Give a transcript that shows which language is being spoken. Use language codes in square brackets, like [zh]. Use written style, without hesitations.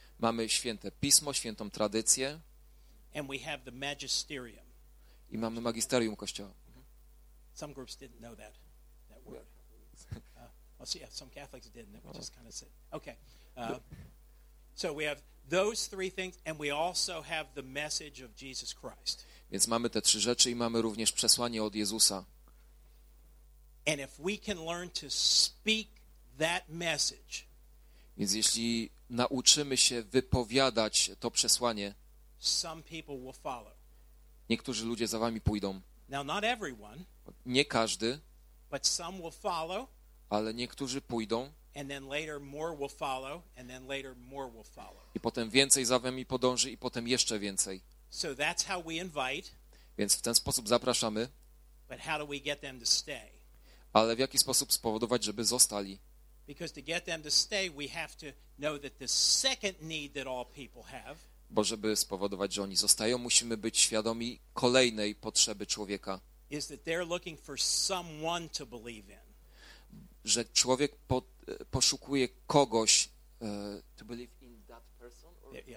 [pl] Mamy święte pismo, świętą tradycję. [en] And we have the magisterium. [pl] I mamy magisterium kościoła. [en] Some groups didn't know that word. Some Catholics didn't. We just kind of said, okay. So we have those three things, and we also have the message of Jesus Christ. [pl] Więc mamy te trzy rzeczy i mamy również przesłanie od Jezusa. [en] And if we can learn to speak that message, [pl] więc jeśli nauczymy się wypowiadać to przesłanie, [en] some people will follow. [pl] Niektórzy ludzie za wami pójdą. [en] Now, not everyone, [pl] nie każdy, [en] but some will follow, [pl] ale niektórzy pójdą. [en] And then later more will follow, and then later more will follow. [pl] I potem więcej za wami podąży i potem jeszcze więcej. [en] So that's how we invite. [pl] Więc w ten sposób zapraszamy. [en] But how do we get them to stay? [pl] Ale w jaki sposób spowodować, żeby zostali? [en] Because to get them to stay, we have to know that the second need that all people have. [pl] Bo żeby spowodować, że oni zostają, musimy być świadomi kolejnej potrzeby człowieka. [en] is that they're looking for someone to believe in. [pl] Że człowiek poszukuje kogoś [en] to believe in that person or